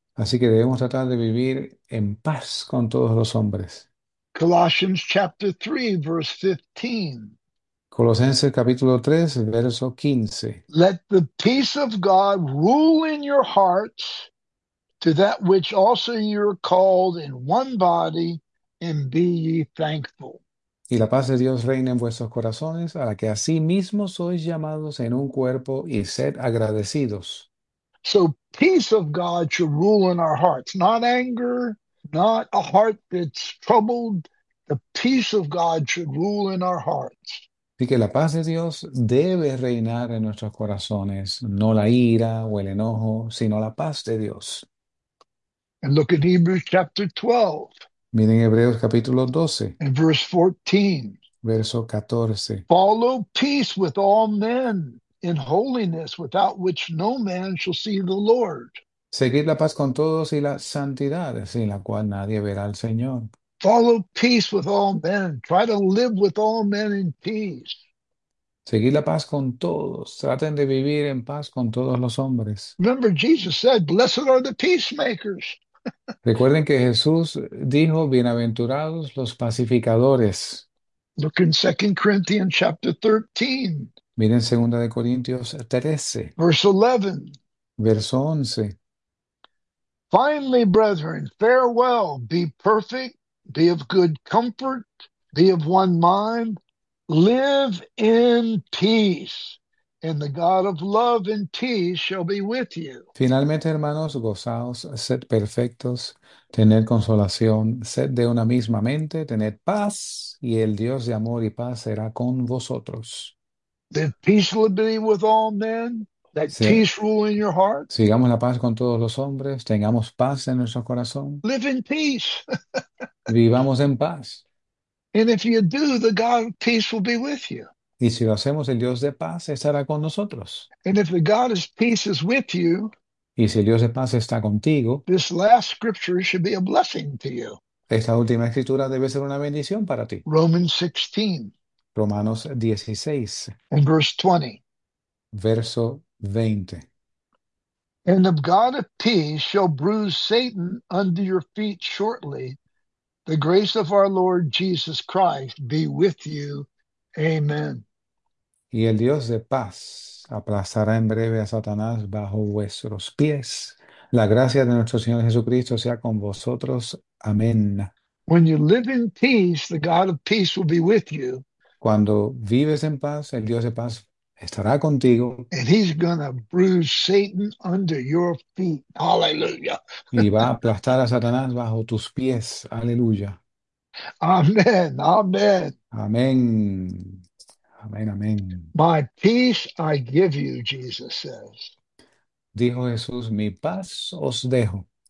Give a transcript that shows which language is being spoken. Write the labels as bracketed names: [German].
[Spanish] Así que debemos tratar de vivir en paz con todos los hombres. [English] Colossians chapter 3, verse 15. [Spanish] Colosenses capítulo 3, verso 15. [English] Let the peace of God rule in your hearts, to that which also you're called in one body, and be ye thankful. [Spanish] Y la paz de Dios reina en vuestros corazones, a la que asimismo sois llamados en un cuerpo y sed agradecidos. [English] So peace of God should rule in our hearts, not anger. Not a heart that's troubled. The peace of God should rule in our hearts. [Spanish] Así que la paz de Dios debe reinar en nuestros corazones, no la ira o el enojo, sino la paz de Dios. [English] And look at Hebrews chapter 12 [Spanish] Miren Hebreos capítulo 12. [English] and verse 14. [Spanish] Verso 14. [English] Follow peace with all men in holiness, without which no man shall see the Lord. [Spanish] Seguir la paz con todos y la santidad sin la cual nadie verá al Señor. [English] Follow peace with all men. Try to live with all men in peace. [Spanish] Seguir la paz con todos. Traten de vivir en paz con todos los hombres. [English] Remember, Jesus said, Blessed are the peacemakers. [Spanish] Recuerden que Jesús dijo, Bienaventurados los pacificadores. [English] Look in 2 Corinthians chapter 13, [Spanish] Miren 2 de Corintios 13, [English] verse 11. [Spanish] verso 11. [English] Finally, brethren, farewell. Be perfect. Be of good comfort, be of one mind, live in peace, and the God of love and peace shall be with you. [Spanish] Finalmente, hermanos, gozaos, sed perfectos, tened consolación, sed de una misma mente, tened paz, y el Dios de amor y paz será con vosotros. [English] That peace will be with all men, that [Spanish] Sigamos [English] peace rule in your heart. [Spanish] la paz con todos los hombres, tengamos paz en nuestro corazón, [English] Live in peace. [Spanish] vivamos en paz. [English] And if you do, the God of peace will be with you. [Spanish] Y si lo hacemos, el Dios de paz estará con nosotros. [English] And if the God of peace is with you, [Spanish] Y si el Dios de paz está contigo, [English] This last scripture should be a blessing to you. [Spanish] esta última escritura debe ser una bendición para ti. [English] Romans 16 [Spanish] Romanos 16, [English] and verse 20. [Spanish] verso 20. [English] And the God of peace shall bruise Satan under your feet shortly. The grace of our Lord Jesus Christ be with you. Amen. [Spanish] Y el Dios de paz aplastará en breve a Satanás bajo vuestros pies. La gracia de nuestro Señor Jesucristo sea con vosotros. Amén. [English] When you live in peace, the God of peace will be with you. [Spanish] Cuando vives en paz, el Dios de paz estará contigo [English] And he's gonna bruise Satan under your feet. Hallelujah. [Spanish] y va a aplastar a Satanás bajo tus pies. Aleluya. [English] Amen. Amen. [Spanish] Amén. Amén, amén. [English] My peace I give you, Jesus says. [Spanish] Dijo Jesús, mi paz os dejo.